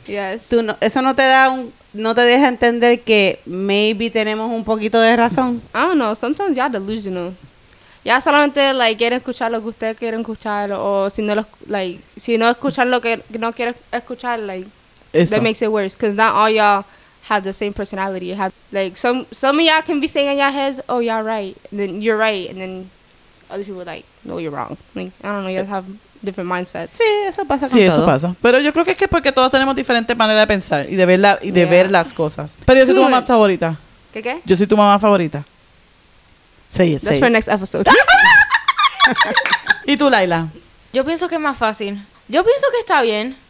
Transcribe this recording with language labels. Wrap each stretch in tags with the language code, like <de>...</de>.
<en>Yes.</en> <es>Tú no, eso no te da un, no te deja entender que maybe tenemos un poquito de razón.</es> <en>I don't know, sometimes you're delusional.</en> <es>Ya solamente like quieren escuchar lo que ustedes quieren escuchar o si no like si no escuchan lo que no quieren escuchar like eso.</es> <en>That makes it worse because not all y'all have the same personality. Have like some of y'all can be saying in your heads, oh y'all right, and then you're right, and then other people like. No, you're wrong. Like, I don't know, you guys have different mindsets.</en> <es>Sí, eso pasa con sí, todo. Sí, eso pasa. Pero yo creo que es que porque todos tenemos diferentes maneras de pensar y de ver la, y de yeah. ver las cosas. Pero yo soy tu mamá favorita. ¿Qué qué? Yo soy tu mamá favorita.</es> <en>Say it, that's say for it. Next episode.</en> <es>¿Y tú, Laila? Yo pienso que es más fácil. Yo pienso que está bien.</es>